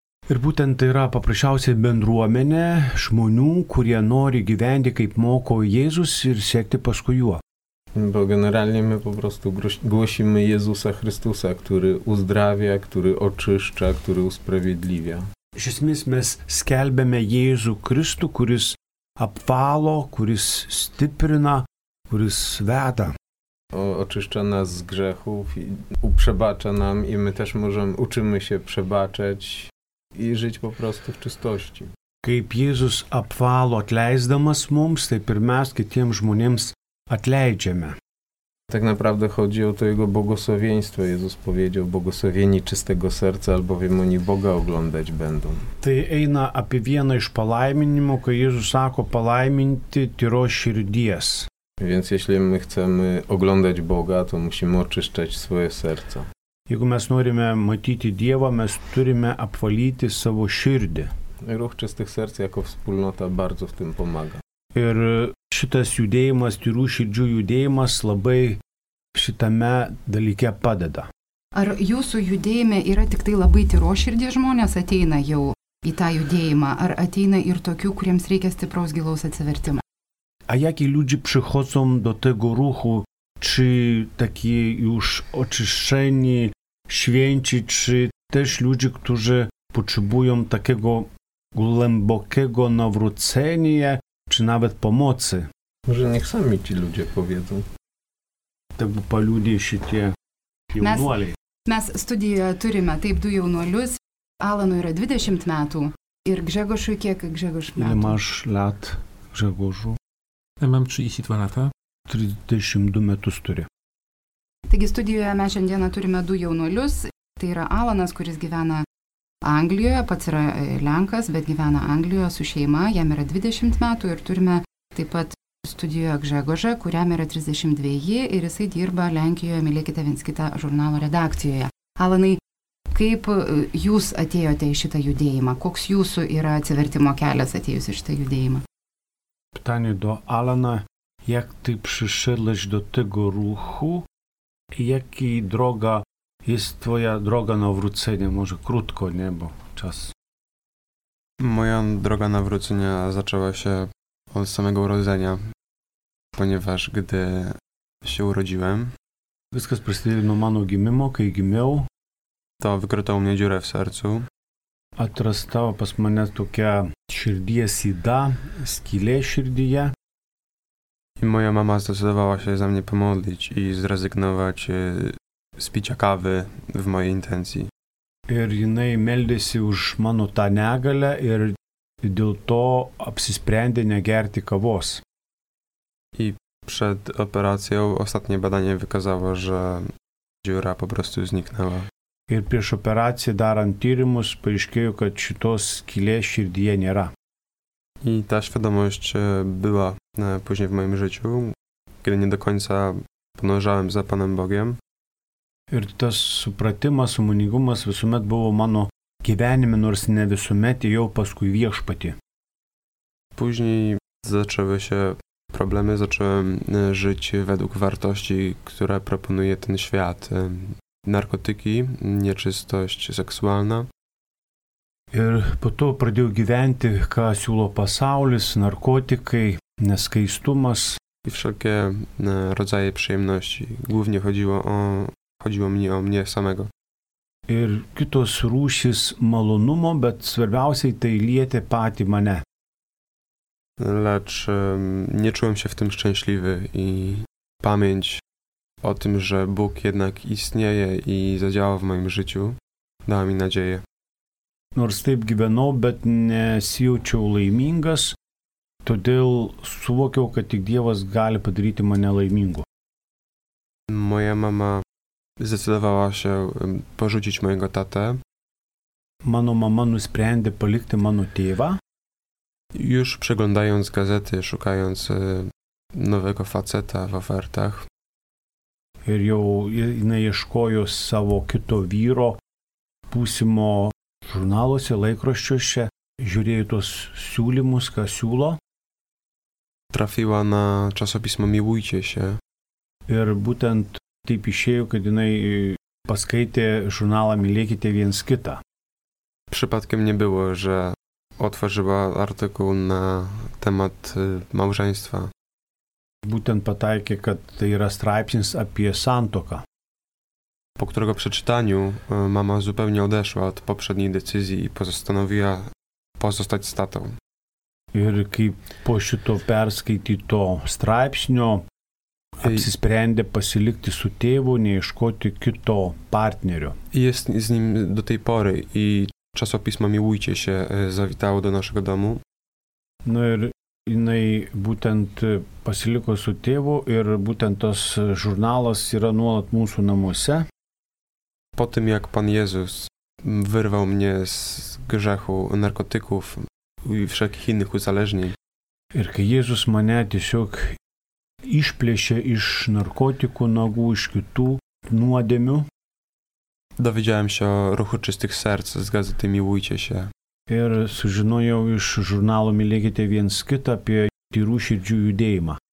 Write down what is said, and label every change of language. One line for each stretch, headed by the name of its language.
Lithuanian: Ir būtent tai yra paprasčiausiai bendruomenė žmonių, kurie nori gyventi, kaip moko Jėzus ir sekti paskui juo.
Polish: Bo generalnie my po prostu głosimy Jezusa Chrystusa, który uzdrawia, który oczyszcza, który usprawiedliwia.
Lithuanian: Iš esmės mes skelbiame Jėzų Kristų, kuris apvalo, kuris stiprina, kuris veda.
Polish: Oczyszcza nas z grzechów, przebacza nam i my też możemy, uczymy się przebaczać i żyć po prostu w czystości.
Lithuanian: Kaip Jėzus apvalo atleisdamas mums, taip ir mes kitiems žmonėms atleidžiame.
Polish: Tak naprawdę chodzi o to jego błogosławieństwo. Jezus powiedział, błogosławieni czystego serca, albowiem oni Boga oglądać będą.
Lithuanian: Tai eina apie vieną iš palaiminimų, kai Jezus sako palaiminti tyros širdies.
Polish: Więc jeśli my chcemy oglądać Boga, to musimy oczyszczać swoje serca.
Lithuanian: Jeigu mes norime matyti Dievą, mes turime apvalyti savo širdį.
Polish: Ruch Czystych Serc jako wspólnota bardzo w tym pomaga.
Lithuanian: Ir šitas judėjimas, tyrų širdžių judėjimas labai šitame dalyke padeda. Ar jūsų judėjime yra tik tai labai tyros širdies žmonės ateina jau į tą judėjimą, ar ateina ir tokių, kuriems reikia stipraus gilaus atsivertimo?
Polish: A jaki ludzie przychodzą do tego ruchu, czy taki już oczyszczeni, święci, czy też ludzie, którzy potrzebują takiego głębokiego nawrócenia, czy nawet pomocy. Może niech sami ci ludzie powiedzą.
Lithuanian: Tak by paliudzie się tie jaunuoliai. Mes studijoje turime taip du jaunuolius. Alanui yra 20 metų. Ir Grzegorzui kiek Grzegorz metų?
Polish: Ile masz lat Grzegorzu? Ja mam 32 lata.
Lithuanian: 32 metus turi. Taigi studijoje mes šiandieną turime du jaunuolius. Tai yra Alanas, kuris gyvena Anglijoje, pats yra Lenkas, bet gyvena Anglijoje su šeima, jam yra 20 metų ir turime taip pat studijoje Grzegorzą, kuriam yra 32 ir jisai dirba Lenkijoje Mylėkite viens kitą žurnalo redakcijoje. Alanai, kaip jūs atėjote į šitą judėjimą? Koks jūsų yra atsivertimo kelias atėjus į šitą judėjimą?
Polish: Pytanie do Alana, jak ty przyszedłeś do tego ruchu, jaki droga jest twoja droga nawrócenia, może krótko, nie, bo czas. Moja droga nawrócenia zaczęła się od samego urodzenia, ponieważ gdy się urodziłem, wyskaz przestrzeli
Lithuanian: no mano gimimo, kai gimiau,
Polish: to wykrytało mnie dziurę w sercu. A teraz stała
Lithuanian: pas mnie tokia širdie sida, skile širdie.
Polish: I moja mama zdecydowała się za mnie pomodlić i zrezygnować z picia kawy w mojej intencji.
Lithuanian: Ir jinai meldėsi už mano tą negalę ir dėl to apsisprendė negerti kawos.
Polish: I przed operacją ostatnie badanie wykazało, że dziura po prostu zniknęła.
Lithuanian: Ir prieš operaciją darant tyrimus paaiškėjo, kad šitos skylės širdyje nėra.
Polish: I ta świadomość była później w moim życiu, kiedy nie do końca podążałem za Panem Bogiem.
Lithuanian: Ir tas supratimas, sumoningumas visuomet buvo mano gyvenime, nors ne visuomet jau paskui viešpatį.
Polish: Później zaczęły się problemy, zacząłem żyć według wartości, które proponuje ten świat. Narkotyki, nieczystość seksualna.
Lithuanian: Ir po to pradėjau gyventi, ką siūlo pasaulis, narkotikai, neskaistumas.
Polish: I wszelkie rodzaje przyjemności. Głównie chodziło mnie o mnie samego.
Lithuanian: Ir kitos rūšys malonumo, bet svarbiausiai tai lietė patį mane.
Polish: Lecz nie czułem się w tym szczęśliwy i pamięć o tym, że Bóg jednak istnieje i zadziała w moim życiu, dała mi nadzieję.
Lithuanian: Nors taip gyvenau, bet nesijaučiau laimingas, Todėl suvokiau, kad tik Dievas gali padaryti mane laimingu.
Polish: Moja mama zdecydowała się porzucić mojego tatę.
Lithuanian: Mano mama nusprendė palikti mano tėvą.
Polish: Już przeglądając gazety, szukając nowego faceta w ofertach.
Lithuanian: Ir jau jinai ieškojo savo kito vyro būsimo žurnaluose, laikraščiuose, žiūrėjo tuos siūlymus, ką siūlo.
Polish: Trafiła na časopismo Miłujcie się.
Lithuanian: Ir būtent taip išėjo, kad jinai paskaitė žurnalą Mylėkite viens kitą.
Polish: Przypadkiem nie było, że otworzyła artykuł na temat małżeństwa.
Lithuanian: Būtent pataikė, kad tai yra straipsnis apie santoką.
Polish: Po którego przeczytaniu mama zupełnie odeszła od poprzedniej decyzji i postanowiła pozostać z tatą.
Lithuanian: Ir kaip po šito perskaityto straipsnio apsisprendė pasilikti su tėvu, neiškoti kito partnerio.
Polish: Jest z nim do tej pory i časopismo Miłujcie się zawitało do naszego domu.
Lithuanian: No ir jinai būtent pasiliko su tėvu ir būtent tas žurnalas yra nuolat mūsų namuose.
Polish: Po tym jak pan Jezus wyrwał mnie z grzechu narkotyków i wszelkich innych uzależnień.
Lithuanian: Ir kai Jezus mane tiesiog išplėšė iš narkotikų nagų, iš kitų nuodėmių.
Polish: Dowiedziałem się o ruchu czystych serc z gazety Miłujcie się.
Lithuanian: Ir sužinojau iš žurnalo Mylėkite viens kitą apie tyrų širdžių judėjimą.